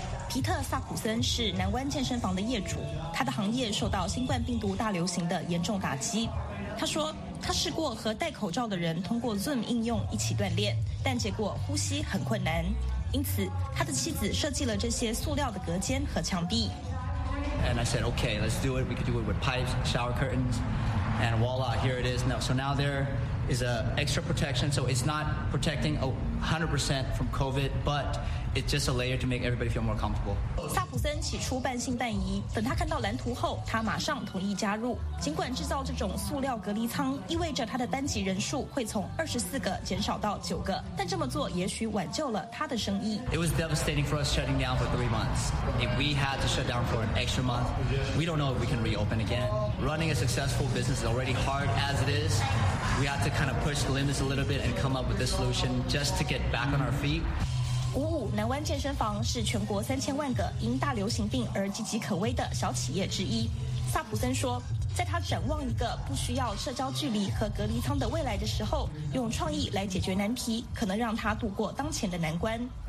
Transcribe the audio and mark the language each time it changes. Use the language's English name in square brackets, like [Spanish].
[Chinese] 皮特·萨普森是南湾健身房的业主，他的行业受到新冠病毒大流行的严重打击。他说，他试过和戴口罩的人通过 Zoom 应用一起锻炼，但结果呼吸很困难。因此，他的妻子设计了这些塑料的隔间和墙壁。 [English] And I said, okay, let's do it. We could do it with pipes, shower curtains, and voila, here it is. Now, so now there is a extra protection. So it's not protecting 100% from COVID, but It's just a layer to make everybody feel more comfortable. [Chinese] 萨普森起初半信半疑，等他看到蓝图后，他马上同意加入。尽管制造这种塑料隔离舱意味着他的班级人数会从24个减少到9个，但这么做也许挽救了他的生意。 [English] It was devastating for us shutting down for 3 months. If we had to shut down for an extra month, we don't know if we can reopen again. Running a successful business is already hard as it is. We have to kind of push the limits a little bit and come up with a solution just to get back on our feet. [Chinese] 鼓舞南湾健身房是全国3000万个因大流行病而岌岌可危的小企业之一。萨普森说，在他展望一个不需要社交距离和隔离舱的未来的时候，用创意来解决难题，可能让他度过当前的难关。